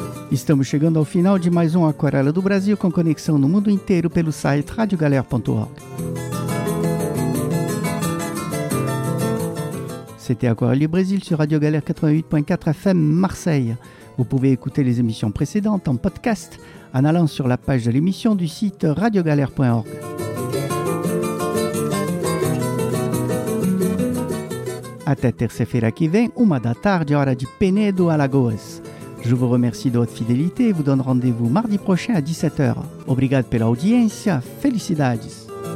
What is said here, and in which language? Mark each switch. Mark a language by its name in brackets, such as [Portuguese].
[Portuguese] Estamos chegando ao final de mais um Aquarela do Brasil, com conexão no mundo inteiro pelo site radiogaler.org. [French] C'était Aquarelli Brésil sur Radio Galère 88.4 FM Marseille. Vous pouvez écouter les émissions précédentes en podcast en allant sur la page de l'émission du site radiogalère.org. [Portuguese] Até terça-feira que vem, uma da tarde, hora de Penedo, Alagoas. [French] Je vous remercie de votre fidélité et vous donne rendez-vous mardi prochain à 17h. [Portuguese] Obrigado pela audiência. Felicidades.